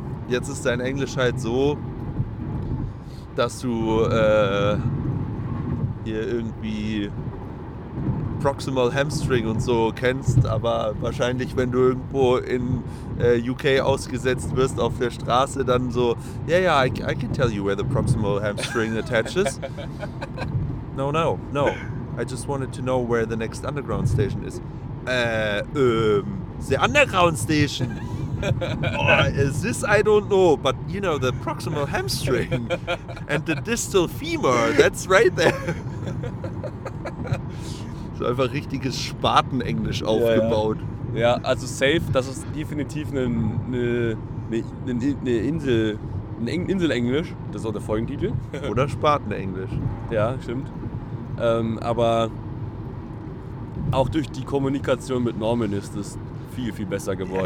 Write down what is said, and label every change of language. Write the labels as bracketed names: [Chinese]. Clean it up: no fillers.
[German] Jetzt ist dein Englisch halt so, dass du hier irgendwie Proximal Hamstring und so kennst, aber wahrscheinlich, wenn du irgendwo in UK ausgesetzt wirst auf der Straße, dann so, [English] I can tell you where the Proximal Hamstring attaches. No. I just wanted to know where the next underground station is. The underground station. Oh, this I don't know, but you know, the proximal hamstring and the distal femur, that's right there. [German] So einfach richtiges Spaten-Englisch aufgebaut. Ja, ja, also safe, das ist definitiv Insel-Englisch, das ist auch der Folgentitel. Oder Spaten-Englisch. Ja, stimmt. Aber auch durch die Kommunikation mit Norman ist es viel, viel besser geworden.